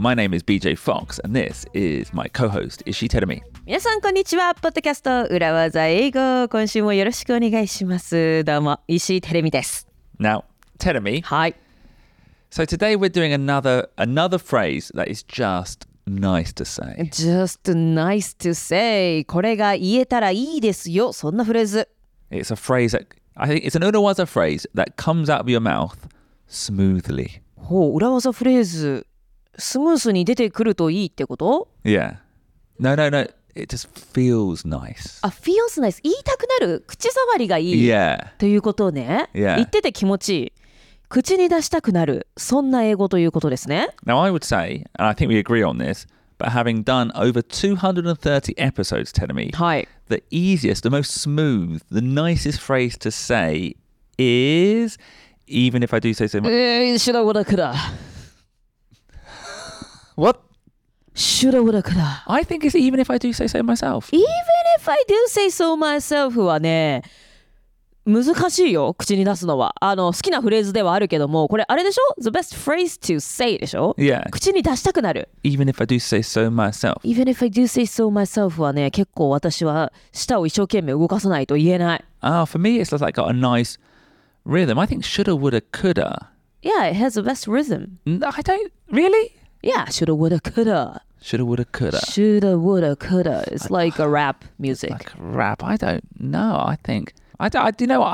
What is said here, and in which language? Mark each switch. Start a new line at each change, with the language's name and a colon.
English: My name is BJ Fox, and this is my co-host, Ishii Terumi.
Japanese: 皆さん、こんにちは。ポッドキャスト、Urawaza Eigo. 今週もよろしくお願いします。どうも、Ishii Terumiです。
English: Now, Terumi. Hi. So today we're doing another phrase that is just nice to say. Just nice to say.
Japanese: これが言えたらいいですよ。そんなフレーズ。
English: It's a phrase that, I think it's an Urawaza phrase that comes out of your mouth. Smoothly.
Japanese: ほう、裏技フレーズ、スムースに出てくるといいってこと？
English: Yeah. No, no, no. It just feels nice.
Japanese: あ、
English: feels nice.
Japanese: 言いたくなる。口触りがいい。
English: Yeah.
Japanese: ということね。
English: Yeah.
Japanese: 言ってて気持ちいい。口に出したくなる。そんな英語ということですね。
English: Now I would say, and I think we agree on this, but having done over 230 episodes, Terumi,
Japanese: はい。
English: The easiest, the most smooth, the nicest phrase to say is... Even if I do say so much. Shoulda, woulda, coulda. What? Shoulda, woulda, coulda. I think it's even if I do say so myself. Even if I do say so myself
Japanese: はね、難しいよ、口に出すのは。あの、好きなフレーズではあるけども、これあれでしょ ?
English: The best phrase to say
Japanese: でしょ
English: ?Yeah.
Japanese: 口に出したくなる。
English: Even if I do say so myself. Even if I do say so myself
Japanese: はね、結構私は舌を一生懸命動かさないと言えない。
English: Ah, for me, it's like got a nice... Rhythm. I think shoulda, woulda, coulda. Yeah, it has the best rhythm. No, I don't. Really? Yeah, shoulda, woulda, coulda. Shoulda, woulda, coulda. Shoulda, woulda, coulda. It's like a rap music. It's like rap. I don't know. I think. I do you know what?